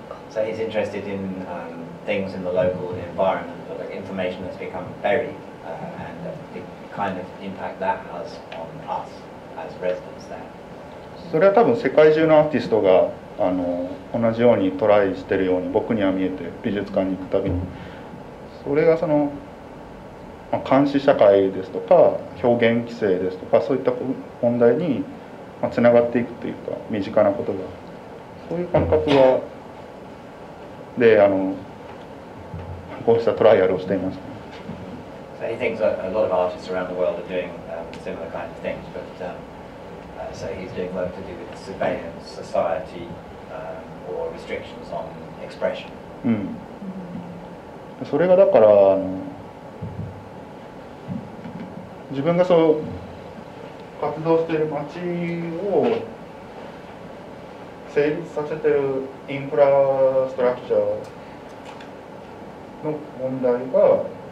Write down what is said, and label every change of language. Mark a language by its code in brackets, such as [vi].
[en] So he's interested in things in the local environment, but information has become buried, and the kind of impact that has on us as residents there. [ja] それは多分世界中のアーティストが同じようにトライしているように僕には見えて、美術館に行くたびに、それがその、まあ、監視社会ですとか表現規制ですとか、そういった問題にまあ、つながっていくというか身近なことがそういう感覚はでこうしたトライアルをしています。 [en] So he thinks a lot of artists around the world are doing similar kind of things, but so he's doing work to do with surveillance society or restrictions on expression. [ja] うん。それがだから自分がそう活動している街を成立させているインフラストラクチャーの問題が、